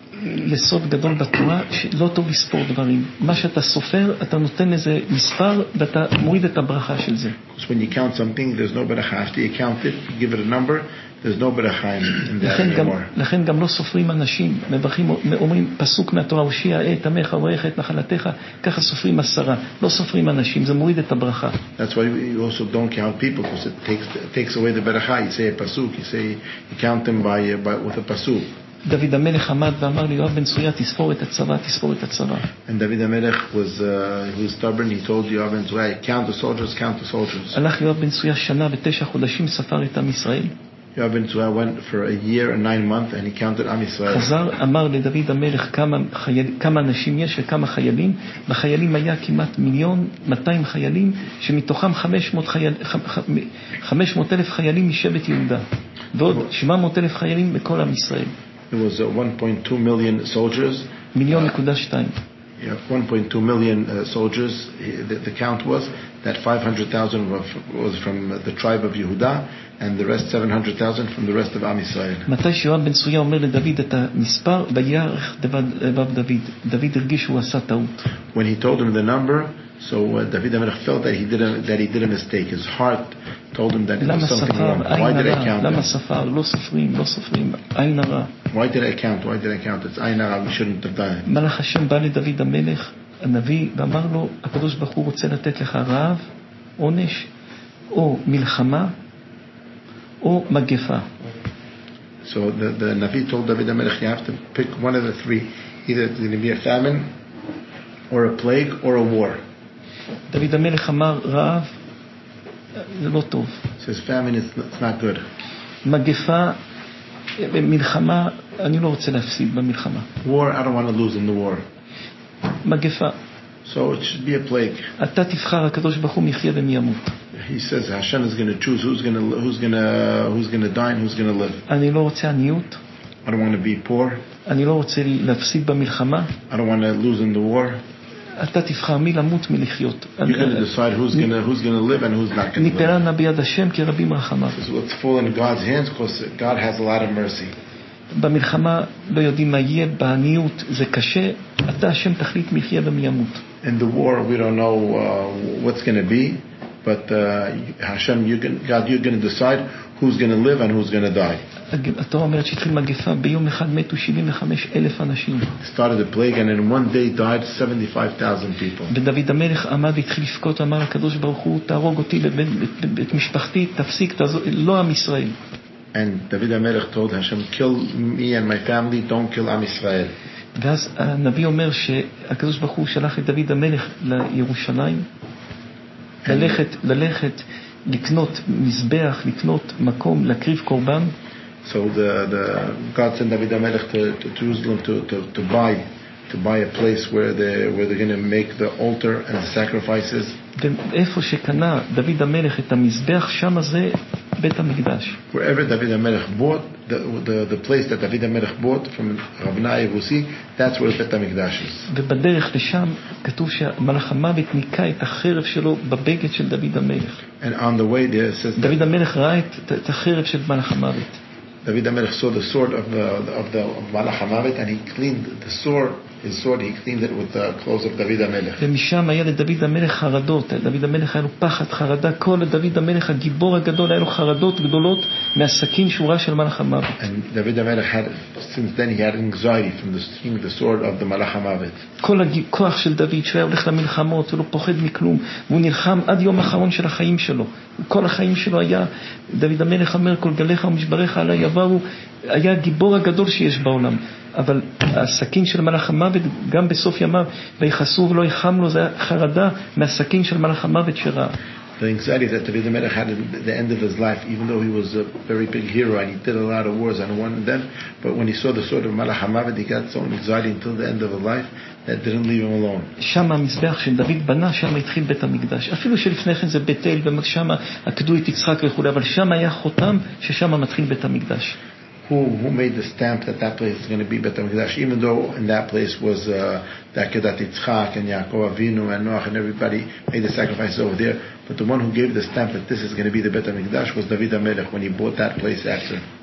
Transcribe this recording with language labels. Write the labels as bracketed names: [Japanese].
[Hebrew] לסוד גדול בתורה, שלא טוב לספור דברים. מה שאתה סופר, אתה נותן איזה מספר, ואתה מוריד את הברכה של זה. [English] Because when you count something, there's no ברכה. After you count it, you give it a number, there's no ברכה in that anymore. [Hebrew] לכן גם לא סופרים אנשים, מברכים, אומרים פסוק מהתורה, הושיע את עמך, ובריך את נחלתך, ככה סופרים עשרה. לא סופרים אנשים, זה מוריד את הברכה. [English] That's why you also don't count people, because it takes away the ברכה. You say a פסוק, you count them with a פסוק. [Hebrew] דוד המלך עמד ואמר לי, יואב בן צוריה, תספור את הצבא, תספור את הצבא. [English] And David the Melech was he was stubborn. He told Yoav ben Tzruya, count the soldiers, count the soldiers. [Hebrew] הלך יואב בן צוריה שנה ותשע חודשים ספר את עם ישראל. [English] Yoav ben Tzruya went for a year and 9 months and he counted עם ישראל. [Hebrew] חזר אמר לדוד המלך כמה אנשים יש וכמה חיילים. בחיילים היה כמעט 1,200,000 חיילים, שמתוכם 500,000 חיילים משבט יהודה. ועוד 700,000 חיילים בכל עם ישראל. [English] It was 1.2 million soldiers. 1.2 million. Yeah, 1.2 million soldiers. The count was that 500,000 was from the tribe of Yehuda, and the rest 700,000 from the rest of Am Yisrael. [Hebrew] מתי שיואב בן צוריה אומר לדוד את המספר, בירך לבב דוד. דוד הרגיש שהוא עשה טעות. [English] When he told him the number, so David HaMelech felt that he did a mistake. His heart told him that it was something wrong. Why did I count? [Hebrew] למה ספר? לא סופרים, לא סופרים. עין הרע. [English] Why did I count? It's עין הרע. We shouldn't have done it. [Hebrew] מלאך השם בא לדוד המלך, הנביא, ואמר לו, הקדוש ברוך הוא רוצה לתת לך רעב, עונש, או מלחמה, או מגפה. [English] So the Navi told David HaMelech, you have to pick one of the three. Either it's going to be a famine, or a plague, or a war. [Hebrew] דוד המלך אמר רעב זה לא טוב. [English] Says famine is not good. [Hebrew] מגפה, מלחמה, אני לא רוצה להפסיד במלחמה. [English] War, I don't want to lose in the war. [Hebrew] מגפה. [English] So it should be a plague. [Hebrew] אתה תבחר, הקדוש ברוך הוא יחיה ומי ימות. [English] He says Hashem is going to choose who's going to die and who's going to live. [Hebrew] אני לא רוצה עניות. [English] I don't want to be poor. [Hebrew] אני לא רוצה להפסיד במלחמה. [English] I don't want to lose in the war. [Hebrew] אתה תבחר מי למות מי לחיות. [English] You're going to decide who's going to live and who's not going to live. [Hebrew] ניפלה ביד השם כי רבים רחמיו. [English] So let's fall in God's hands because God has a lot of mercy. [Hebrew] במלחמה לא יודעים מה יהיה, בעניות זה קשה. אתה השם תחליט מי יחיה ומי ימות. [English] In the war we don't know what's going to be, but Hashem, you're going to decide who's going to live and who's going to die. [Hebrew] התורה אומרת שהתחיל מגפה, ביום אחד מתו 75,000 אנשים. [English] Started a plague and in one day died 75,000 people. [Hebrew] ודוד המלך עמד והתחיל לפקוט, אמר הקדוש ברוך הוא, תהרוג אותי ואת משפחתי, תפסיק, לא עם ישראל. [English] And David המלך told Hashem, kill me and my family, don't kill עם ישראל. [Hebrew] ואז הנביא אומר שהקדוש ברוך הוא שלח את דוד המלך לירושלים, ללכת לקנות מזבח, לקנות מקום, להקריב קורבן. [English] So the God sent David HaMelech to Jerusalem to buy a place where they're going to make the altar and the sacrifices. [Hebrew] איפה שקנה דוד המלך את המזבח, שם זה בית המקדש. [English] Wherever David HaMelech bought the place that David HaMelech bought from Rabna Yevusi, that's where Bet HaMikdash is. [Hebrew] ובדרך לשם כתוב שהמלך המוות ניקה את החרב שלו בבגד של דוד המלך. [English] And on the way there it says [Hebrew] דוד המלך ראה את החרב של מלך המוות. [English] David HaMelech saw the sword of Malach HaMavet and he cleaned the sword, his sword, he cleaned it with the clothes of David HaMelech. [Hebrew] ומשם היה לדוד המלך חרדות. דוד המלך היה לו פחד, חרדה. כל דוד המלך הגיבור הגדול היה לו חרדות גדולות מהסכין שורה של מלך המוות. [English] And David HaMelech had, since then he had anxiety from the string, the sword of the Malach HaMavet. [Hebrew] כל הכוח של דוד שהיה הולך למלחמות, הוא לא פוחד מכלום, והוא נלחם עד יום האחרון של החיים שלו. כל החיים שלו היה, דוד המלך אומר, כל גליך ומשבריך עלי עברו, היה הגיבור הגדול שיש בעולם. אבל הסכין של מלאך המוות, גם בסוף ימיו, ויחסו ולא יחם לו, זה חרדה מהסכין של מלאך המוות שראה. [English] The anxiety that David HaMelech had at the end of his life, even though he was a very big hero and he did a lot of wars and won them, but when he saw the sword of Malach HaMavet, he got so anxiety until the end of his life that didn't leave him alone. [Hebrew] שם המזבח שדוד בנה, שם התחיל בית המקדש. אפילו שלפני כן זה בית אל, ושם עקדו את יצחק וכו', אבל שם היה חותם ששם מתחיל בית המקדש. [English] Who made the stamp that place is going to be Bet HaMikdash, even though in that place was the Akedat Yitzchak and Yaakov Avinu and Noach and everybody made the sacrifices over there, but the one who gave the stamp that this is going to be the Bet HaMikdash was David HaMelech when he bought that place after.